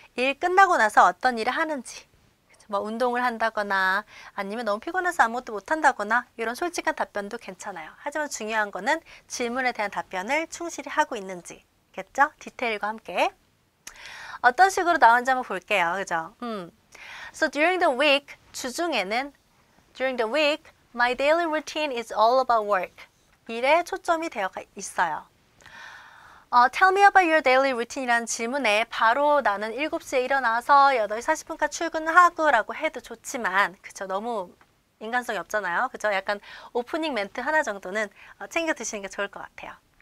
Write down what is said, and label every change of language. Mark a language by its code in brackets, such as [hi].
[ko] 일 끝나고 나서 어떤 일을 하는지. 뭐 운동을 한다거나 아니면 너무 피곤해서 아무것도 못 한다거나 이런 솔직한 답변도 괜찮아요. 하지만 중요한 거는 질문에 대한 답변을 충실히 하고 있는지겠죠? 디테일과 함께. 어떤 식으로 나온지 한번 볼게요. 그죠? [en] So during the week, [ko] 주중에는 [en] during the week, my daily routine is all about work. [ko] 일에 초점이 되어 있어요. [en] Tell me about your daily routine [ko] 이라는 질문에 바로 나는 7시에 일어나서 8시 40분까지 출근하고라고 해도 좋지만, 그쵸? 너무 인간성이 없잖아요. 그쵸? 약간 오프닝 멘트 하나 정도는 챙겨 드시는 게 좋을 것 같아요.